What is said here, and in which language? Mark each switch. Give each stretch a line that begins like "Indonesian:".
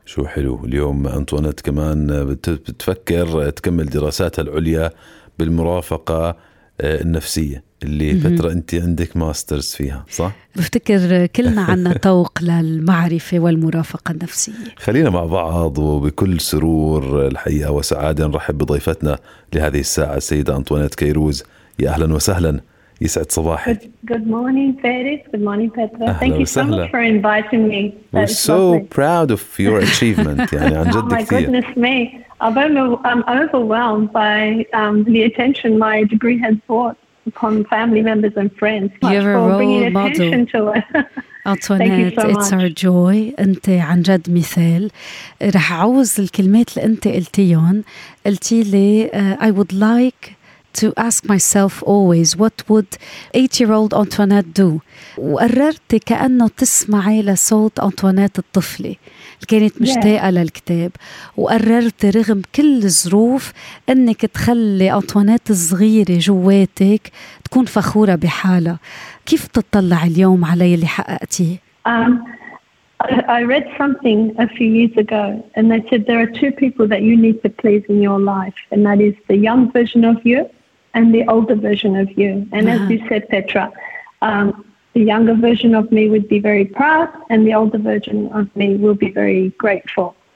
Arabic: شو حلو، اليوم أنطوانيت كمان بتفكر تكمل دراساتها العليا بالمرافقة النفسية اللي فترة أنت عندك ماسترز فيها، صح؟ بفتكر كلنا عنا طوق للمعرفة والمرافقة النفسية. خلينا مع بعض وبكل سرور الحقيقة وسعادة نرحب بضيفتنا لهذه الساعة السيدة أنطوانيت كيروز. يا أهلا وسهلا، يسعد صباحك.
English: Good morning, Paris. Good morning, Petra. Thank you so much for inviting me. We're so proud of your achievement.
Arabic: يعني عن جد كثير.
English: Oh my goodness me. I'm overwhelmed by the attention my degree has brought upon family members and friends. You're a role model. Antoinette, it's our joy.
Arabic: أنت عن جد مثال. رح عوز الكلمات اللي أنت قلتيهن. قلتي لي
English: I would like to ask myself always what would 8-year-old Antoinette do.
Arabic: وقررت كأنه تسمعي لصوت أنطوانيت الطفلة اللي كانت مشتاقة للكتاب، وقررت رغم كل الظروف أنك تخلي أنطوانيت الصغيرة جواتك تكون فخورة بحالها. كيف تطلع اليوم علي اللي حققتيه؟
English: I read something a few years ago and they said there are two people that you need to please in your life, and that is the young version of you and the older version of you. And as you said, Petra, the younger version of me would be very proud and the older version of me will be very grateful.